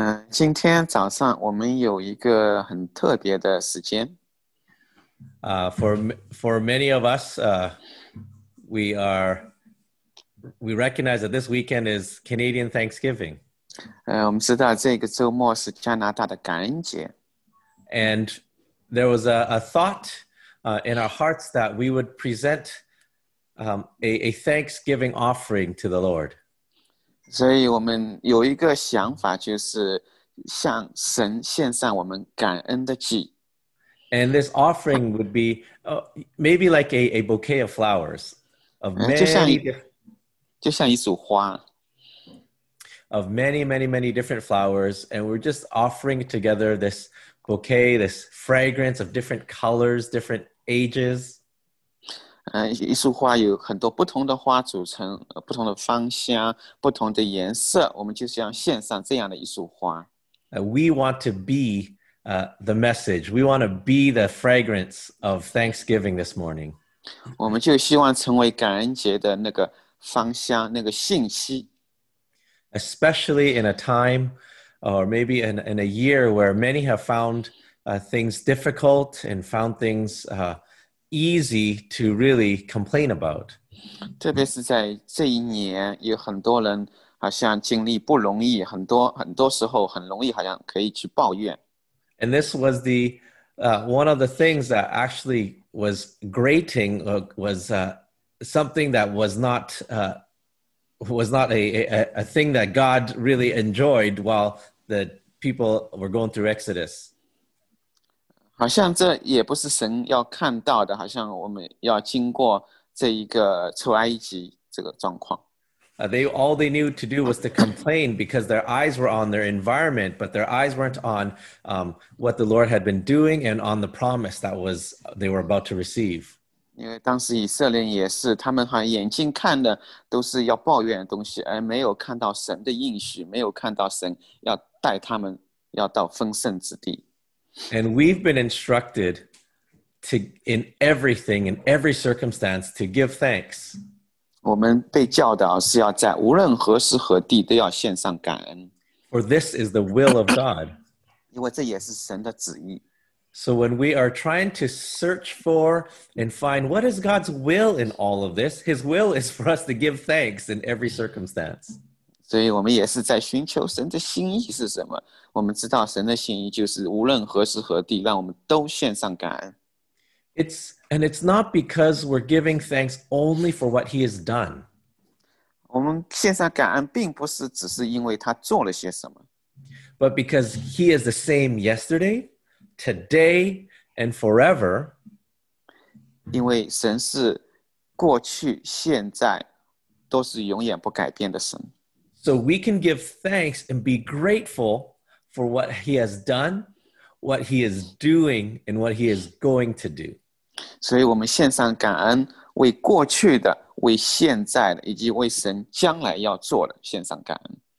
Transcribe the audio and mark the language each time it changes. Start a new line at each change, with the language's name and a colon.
Chinese: 今天早上我们有一个很特别的时间。
English: For many of us, we recognize that this weekend is Canadian Thanksgiving.
Chinese: 我们知道这个周末是加拿大的感恩节。
English: And there was a thought in our hearts that we would present a Thanksgiving offering to the Lord.
Chinese: 所以我们有一个想法，就是向神献上我们感恩的祭。
English: And this offering would be maybe like a bouquet of flowers of many
Chinese: 就像一束花
English: of many, many, many different flowers. And we're just offering together this bouquet, this fragrance of different colors, different ages.
Chinese: 一束花有很多不同的花组成，不同的芳香，不同的颜色。我们就是要献上这样的一束花。
English: We want to be the message. We want to be the fragrance of Thanksgiving this morning.
Chinese: 我们就希望成为感恩节的那个芳香，那个信息。
English: Especially in a time, or maybe in a year where many have found things difficult and found things easy to really complain about.
Chinese: 特别是在这一年，有很多人好像经历不容易，很多很多时候很容易好像可以去抱怨。
English: And this was the one of the things that actually was grating, was something that was not a thing that God really enjoyed while the people were going through Exodus.
Chinese: 好像这也不是神要看到的，好像我们要经过这一个出埃及这个状况。
English: All they knew to do was to complain because their eyes were on their environment, but their eyes weren't on what the Lord had been doing and on the promise that was they were about to receive.
Chinese: 因为当时以色列也是，他们好像眼睛看的都是要抱怨的东西，而没有看到神的应许，没有看到神要带他们要到丰盛之地。
English: And we've been instructed to in everything, in every circumstance, to give thanks.
Chinese: 我们被教导是要在无论何时何地都要献上感恩。
English: For this is the will of God.
Chinese: 因为这也是神的旨意。
English: So when we are trying to search for and find what is God's will in all of this, His will is for us to give thanks in every circumstance.
Chinese: 所以我们也是在寻求神的心意是什么。我们知道神的心意就是无论何时何地让我们都献上感恩。
English: It's not because we're giving thanks only for what He has done.
Chinese: 我们献上感恩并不是只是因为他做了些什么。
English: But because He is the same yesterday, today, and forever.
Chinese: 因为神是过去、现在都是永远不改变的神。
English: So we can give thanks and be grateful for what He has done, what He is doing, and what He is going to do.
Chinese: 所以我们献上感恩，为过去的，为现在的，以及为神将来要做的献上感恩。